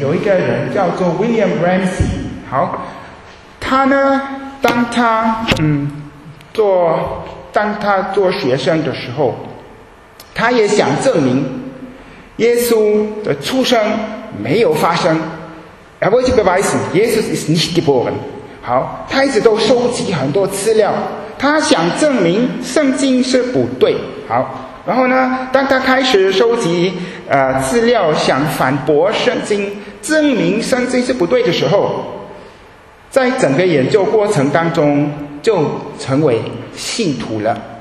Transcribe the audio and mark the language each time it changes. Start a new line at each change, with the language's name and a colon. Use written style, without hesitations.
Chinese: 有一个人叫做 William Ramsey。好，他呢当他做学生的时候，他也想证明耶稣的出生没有发生。
German: Er wollte beweisen, Jesus ist nicht geboren.
Chinese: 好，他一直都收集很多资料，他想证明圣经是不对。好，然后呢，当他开始收集资料，想反驳圣经，证明圣经是不对的时候，在整个研究过程当中就成为信徒了。